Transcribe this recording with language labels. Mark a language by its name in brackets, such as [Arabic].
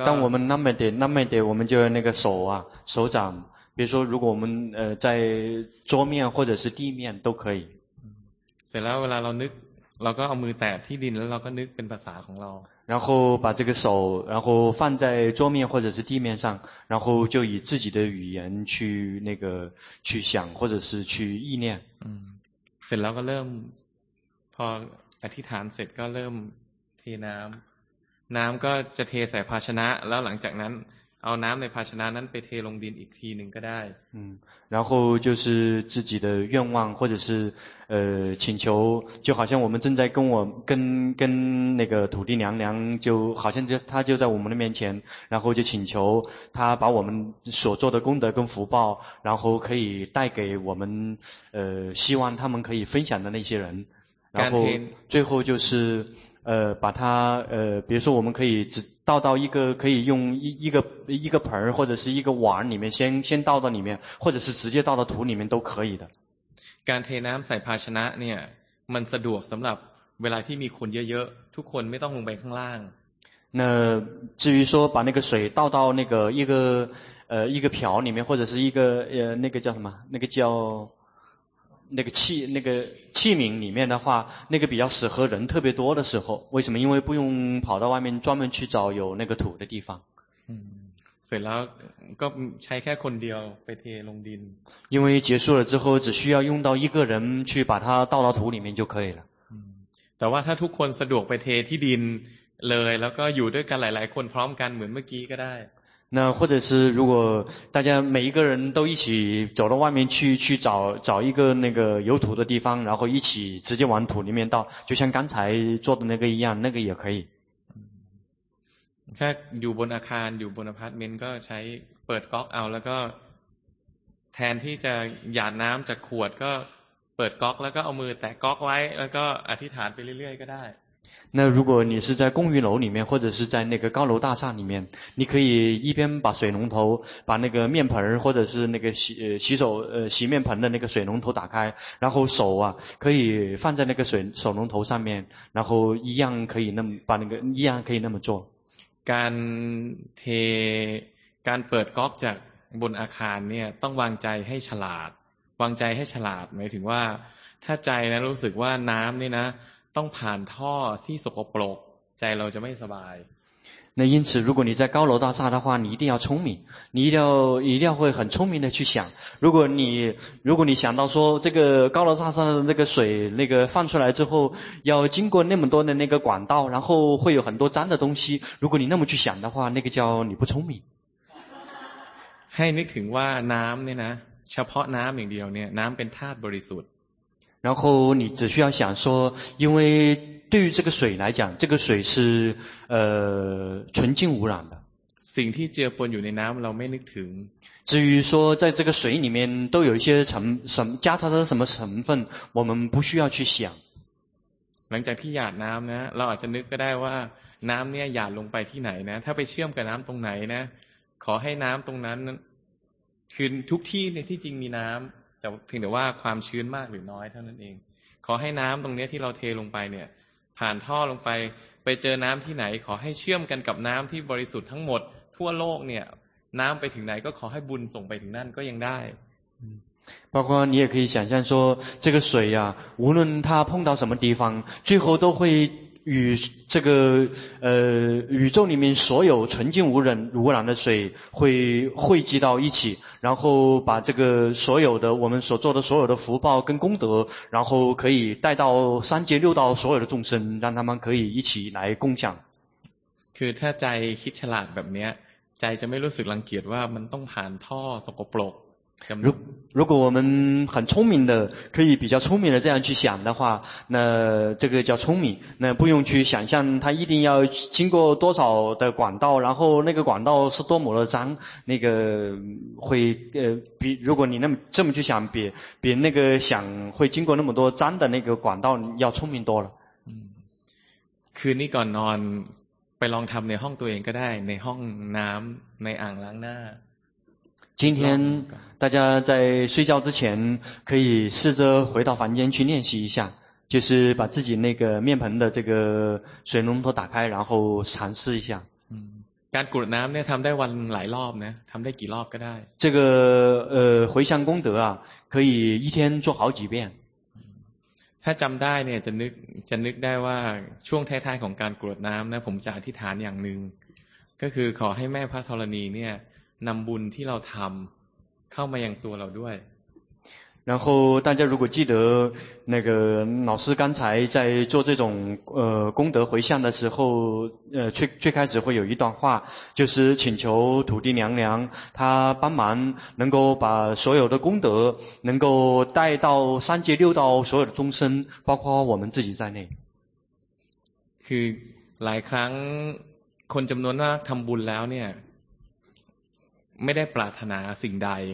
[Chinese] 当我们那么点那么点我们就那个手啊手掌比如说如果我们在桌面或者是地面都可以 [Thai] เสร็จแล้วเวลาเรานึกเราก็เอามือแตะที่ดินแล้วเราก็นึกเป็นภาษาของเรา [Chinese] 然后把这个手然后放在桌面或者是地面上然后就以自己的语言去那个去想或者是去意念 [Thai] เสร็จแล้วก็เริ่มพออธิษฐานเสร็จก็เริ่มเทน้ำน้ำก็จะเทใส่ภาชนะแล้วหลังจากนั้นเอาน้ำในภาชนะนั้นไปเทลงดินอีกทีหนึ่งก็ได้ [Chinese] 然后就是自己的愿望或者是请求就好像我们正在跟我跟那个土地娘娘就好像就她就在我们的面前然后就请求她把我们所做的功德跟福报然后可以带给我们希望他们可以分享的那些人然后最后就是把它比如说我们可以只倒到一个可以用一个盆或者是一个碗里面先倒到里面或者是直接倒到土里面都可以的 [Thai] การเทน้ำใส่ภาชนะเนี่ยมันสะดวกสำหรับเวลาที่มีคนเยอะๆทุกคนไม่ต้องลงไปข้างล่าง [Chinese] 那至于说把那个水倒到那个一个瓢里面或者是一个那个叫什么那个叫那个器那个器皿里面的话那个比较适合人特别多的时候为什么因为不用跑到外面专门去找有那个土的地方 [Thai] เสร็จแล้วก็ใช้แค่คนเดียวไปเทลงดิน [Chinese] 因为结束了之后只需要用到一个人去把它倒到土里面就可以了 [Thai] แต่ว่าถ้าทุกคนสะดวกไปเทที่ดินเลยแล้วก็อยู่ด้วยกันหลายๆคนพร้อมกันเหมือนเมื่อกี้ก็ได้ [Chinese] 那或者是如果大家每一个人都一起走到外面去找一个那个有土的地方然后一起直接往土里面倒就像刚才做的那个一样那个也可以 [Thai] ถ้าอยู่บนอาคารอยู่บนอพาร์ตเมนต์ก็ใช้เปิดก๊อกเอาแล้วก็แทนที่จะหยาดน้ำจากขวดก็เปิดก๊อกแล้วก็เอามือแตะก๊อกไว้แล้วก็อธิษฐานไปเรื่อยๆก็ได้ [Chinese] 那如果你是在公寓楼里面或者是在那个高楼大厦里面你可以一边把水龙头把那个面盆或者是那个 洗面盆的那个水龙头打开然后手啊可以放在那个水手龙头上面然后一样可以那么把那个一样可以那么做 [Thai] การเทการเปิดก๊อกจากบนอาคารเนี่ยต้องวางใจให้ฉลาดวางใจให้ฉลาดหมายถึงว่าถ้าใจนะรู้สึกว่าน้ำนี่นะต้องผ่านท่อที่สกปรกใจเราจะไม่สบาย [Chinese] 那因此如果你在高楼大厦的话你一定要聪明你一定要会很聪明的去想如果你想到说这个高楼大厦的那个水那个放出来之后要经过那么多的那个管道然后会有很多脏的东西如果你那么去想的话那个叫你不聪明 [Thai] ให้นึกถึงว่าน้ำเนี่ยนะเฉพาะน้ำอย่างเดียวเนี่ยน้ำเป็นธาตุบริสุทธิ์ [Chinese] 然后你只需要想说因为对于这个水来讲这个水是纯净无染的 [Thai] สิ่งที่เจือปนอยู่ในน้ำเราไม่นึกถึง [Chinese] 至于说在这个水里面都有一些什么加插的什么成分我们不需要去想 [Thai] หลังจากที่หยาดน้ำนะเราอาจจะนึกก็ได้ว่าน้ำเนี่ยหยาดลงไปที่ไหนนะถ้าไปเชื่อมกับน้ำตรงไหนนะขอให้น้ำตรงนั้นคือทุกที่ในที่จริงมีน้ำแต่เพียงแต่ว่าความชื้นมากหรือน้อยเท่านั้นเองขอให้น้ำตรงนี้ที่เราเทลงไปเนี่ยผ่านท่อลงไปเจอน้ำที่ไหนขอให้เชื่อมกันกับน้ำที่บริสุทธิ์ทั้งหมดทั่วโลกเนี่ยน้ำไปถึงไหนก็ขอให้บุญส่งไปถึงนั่นก็ยังได้ [Chinese] 包括你也可以想象说这个水呀、啊、无论它碰到什么地方最后都会与这个宇宙里面所有纯净无染的水会汇集到一起然后把这个所有的我们所做的所有的福报跟功德然后可以带到三界六道所有的众生让他们可以一起来共享 [Thai] คือถ้าใจคิดฉลาดแบบนี้ใจจะไม่รู้สึกรังเกียจว่ามันต้องผ่านท่อสกปรก [Chinese] 如果我们很聪明的可以比较聪明的这样去想的话那这个叫聪明那不用去想象它一定要经过多少的管道然后那个管道是多么的脏那个会比如果你那么这么去想比那个想会经过那么多脏的那个管道要聪明多了 [Thai] คืนนี้ก่อนนอนไปลองทำในห้องตัวเองก็ได้ในห้องน้ำในอ่างล้างหน้า [Chinese] 今天大家在睡觉之前可以试着回到房间去练习一下就是把自己那个面盆的这个水龙头打开然后尝试一下 [Thai] การกรวดน้ำเนี่ยทำได้วันหลายรอบนะทำได้กี่รอบก็ได้ [Chinese] 这个回向功德啊可以一天做好几遍 [Thai] ถ้าจำได้เนี่ยจะนึกได้ว่าช่วงท้ายๆของการกรวดน้ำนะผมจะอธิษฐานอย่างหนึ่งก็คือขอให้แม่พระธรณีเนี่ยนำบุญที่เราทำเข้ามายังตัวเราด้วย [Chinese] 然后大家如果记得那个老师刚才在做这种功德回向的时候最开始会有一段话就是请求土地娘娘她帮忙能够把所有的功德能够带到三界六道所有的众生包括我们自己在内 [Thai] คือหลายครั้งคนจำนวนมากทำบุญแล้วเนี่ยไม่ได้ปรารถนาสิ่งใด